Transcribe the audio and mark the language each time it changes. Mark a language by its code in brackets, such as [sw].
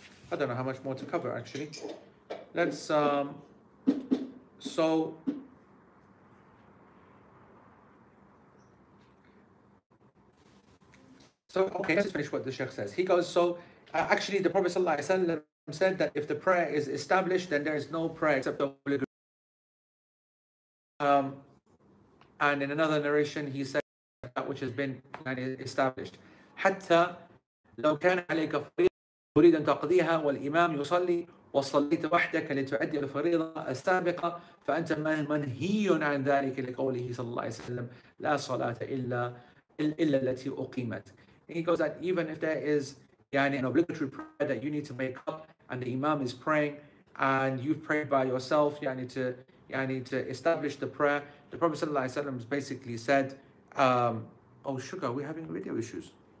[en] I don't know how much more to cover, actually. Let's, okay, let's finish what the Sheikh says. He goes, actually, the Prophet Sallallahu Alaihi Wasallam said that if the prayer is established, then there is no prayer except the Holy Ghost. And in another narration, he said, that which has been established. [ar] Hatta لو كان عليك فريضة تريد أن تقضيها والإمام يصلي وصليت وحدك لتؤدي الفريضة السابقة فأنت منهي عن ذلك لقوله صلى الله عليه وسلم لا صلاة إلا التي أقيمت. [en] And he goes that even if there is يعني an obligatory prayer that you need to make up and the Imam is praying and you've prayed by yourself يعني to establish the prayer, the Prophet صلى الله عليه وسلم has basically said, sugar, we're having video issues.